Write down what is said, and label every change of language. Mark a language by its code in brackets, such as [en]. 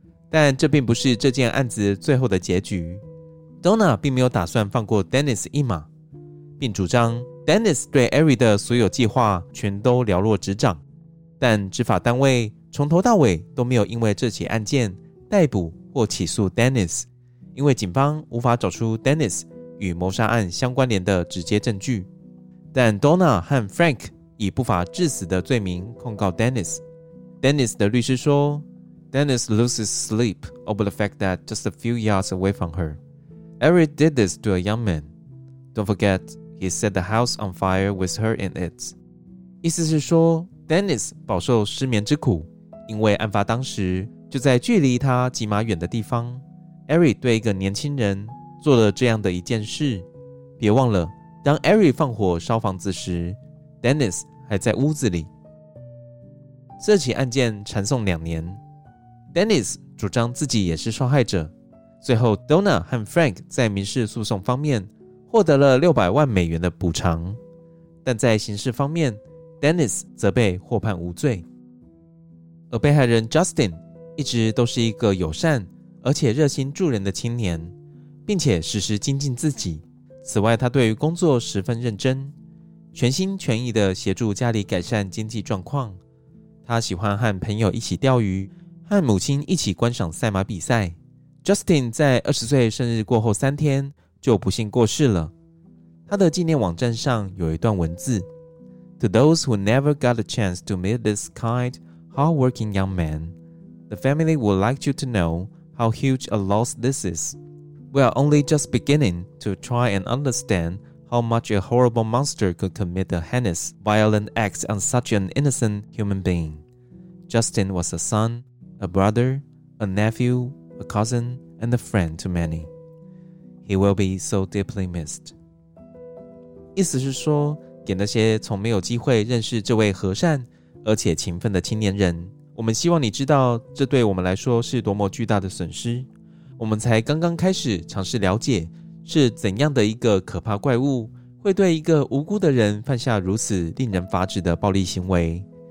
[zh] 但这并不是这件案子最后的结局， Donna 并没有打算放过 Dennis 一马，并主张 Dennis 对 Ari 的所有计划全都了落指掌，但执法单位从头到尾都没有因为这起案件逮捕或起诉 Dennis， 因为警方无法找出 Dennis 与谋杀案相关联的直接证据。但 Donna 和 Frank 以不法致死的罪名控告 Dennis， Dennis 的律师说 [en] Dennis loses sleep over the fact that just a few yards away from her, Ari did this to a young man. Don't forget, he set the house on fire with her in it. [zh] 意思是说 Dennis 饱受失眠之苦，因为案发当时就在距离他几码远的地方， Ari 对一个年轻人做了这样的一件事。别忘了，当 Ari 放火烧房子时， Dennis 还在屋子里。这起案件缠讼两年，Dennis 主张自己也是受害者，最后 Donna 和 Frank 在民事诉讼方面获得了$6,000,000的补偿，但在刑事方面 Dennis 则被获判无罪。而被害人 Justin 一直都是一个友善而且热心助人的青年，并且时时精进自己，此外他对于工作十分认真，全心全意地协助家里改善经济状况。他喜欢和朋友一起钓鱼，和母亲一起观赏赛马比赛。 Justin 在20岁生日过后三天就不幸过世了，他的纪念网站上有一段文字， [en] To those who never got a chance to meet this kind, hardworking young man, the family would like you to know how huge a loss this is. We are only just beginning to try and understand how much a horrible monster could commit a heinous, violent act on such an innocent human being. Justin was a son,A brother, a nephew, a cousin, and a friend to many. He will be so deeply missed. [zh] 意思是说，给那些从没有机会认识这位和善而且勤奋的青年人，我们希望你知道这对我们来说是多么巨大的损失。我们才刚刚开始尝试了解是怎样的一个可怕怪物会对一个无辜的人犯下如此令人发指的暴力行为。